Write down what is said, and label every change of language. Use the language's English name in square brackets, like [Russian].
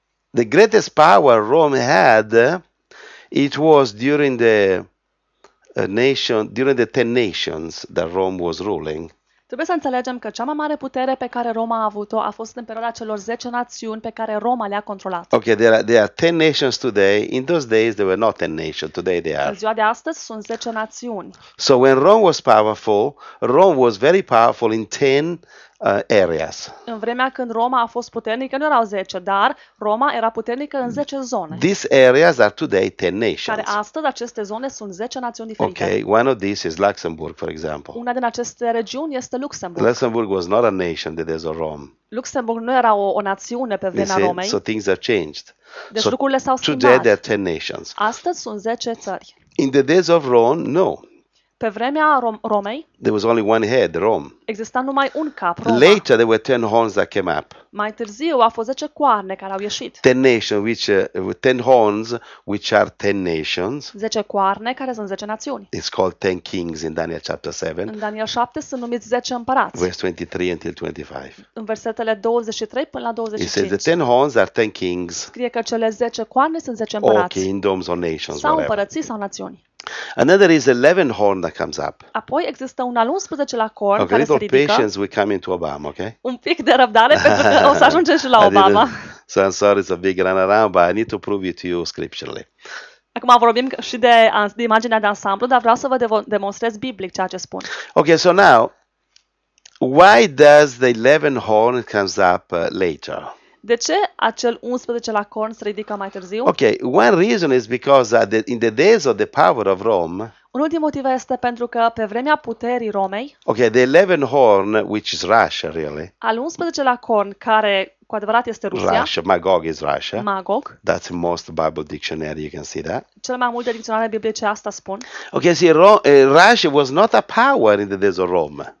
[English] The greatest power Rome had, it was during the nation, during the 10 nations that Rome was ruling. [Romanian] Trebuie să înțelegem că cea mai mare putere pe care Roma a avut-o a fost în perioada celor 10 națiuni pe care Roma le-a controlat. [English] Okay, there are 10 nations today. In those days there were not 10 nations. Today they are. [Romanian] În ziua de astăzi sunt 10 națiuni. [English] So when Rome was powerful, Rome was very powerful in 10 areas. [Romanian] În vremea când Roma a fost puternică, nu erau 10, dar Roma era puternică în 10 zone. [English] These areas are today 10 nations. [Romanian] Care astăzi aceste zone sunt 10 națiuni diferite. [English] Okay, one of these is Luxembourg, for example. [Romanian] Una din aceste regiuni este Luxemburg. [English] Luxembourg was not a nation the days of Rome. [Romanian] Luxemburg nu era o națiune pe vremea Romei. [English] So things have changed. [Romanian] Deci lucrurile s-au schimbat. [English] Today there are 10 nations. [Romanian] Astăzi sunt 10 țări. [English] In the days of Rome, no. [Romanian] Pe vremea Romei, [English] there was only one head, Rome. [Romanian] Exista numai un cap, Roma. [English] Later there were 10 horns that came up. [Romanian] Mai târziu a fost 10 coarne care au ieșit. [English] 10 nations which with 10 horns which are 10 nations. [Romanian] 10 coarne care sunt 10 națiuni. [English] It's called 10 kings in Daniel chapter 7. [Romanian] În Daniel 7 sunt numiți 10 împărați. [English] Verse 23 until 25. [Romanian] În versetele 23 până la 25. [English] It says the 10 horns are 10 kings. [Romanian] Scrie că cele 10 coarne sunt 10 împărați. [English] Or kingdoms or nations, [Romanian] sau împărății sau națiuni. [English] Another is 11 horn that comes up. [Romanian] Apoi există un al 11-lea corn [English] okay, [Romanian] care se ridică. [English] A little patience, we come into Obama, okay? [Romanian] Un pic de răbdare pentru că o să ajungem și la Obama. [English] So I'm sorry, it's a big run around, but I need to prove it to you scripturally. [Romanian] Acum vorbim și de, de imaginea de ansamblu, dar vreau să vă demonstrez biblic ceea ce spun. [English] Okay, so now, why does the 11 horn comes up later? [Romanian] De ce acel 11-lea corn se ridică mai târziu? [English] Okay, one reason is because in the days of the power of Rome. [Romanian] Unul din motive este pentru că pe vremea puterii Romei. [English] Okay, the 11 horn which is Russia really. [Romanian] Al 11-lea corn care cu adevărat este Rusia. [English] Russia, Magog is Russia. [Romanian] Magog. [English] That's the most Bible dictionary you can see that. [Romanian] Cel mai multe dicționare biblice asta spun. [English] Okay, see, Russia was not a power in the days of Rome.